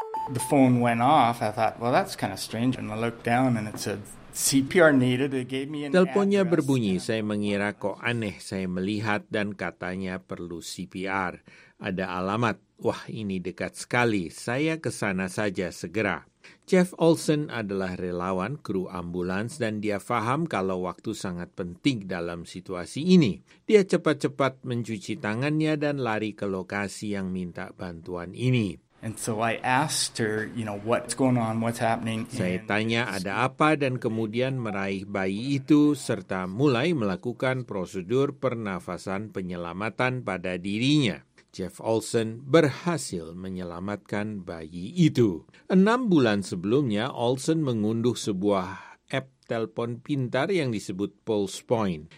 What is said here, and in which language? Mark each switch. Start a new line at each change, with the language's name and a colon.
English: the phone went off, I thought, well, that's kind of strange. And I looked down and it said, CPR needed. It gave me an
Indonesian: teleponnya berbunyi, saya mengira kok aneh, saya melihat dan katanya perlu CPR. Ada alamat. Wah, ini dekat sekali. Saya ke sana saja segera. Jeff Olson adalah relawan kru ambulans dan dia faham kalau waktu sangat penting dalam situasi ini. Dia cepat-cepat mencuci tangannya dan lari ke lokasi yang minta bantuan ini.
English: And so I asked her, you know, what's going on, what's happening.
Indonesian: Saya tanya ada apa dan kemudian meraih bayi itu serta mulai melakukan prosedur pernafasan penyelamatan pada dirinya. Jeff Olson berhasil menyelamatkan bayi itu. 6 bulan sebelumnya, Olson mengunduh sebuah app telepon pintar yang disebut Pulse Point.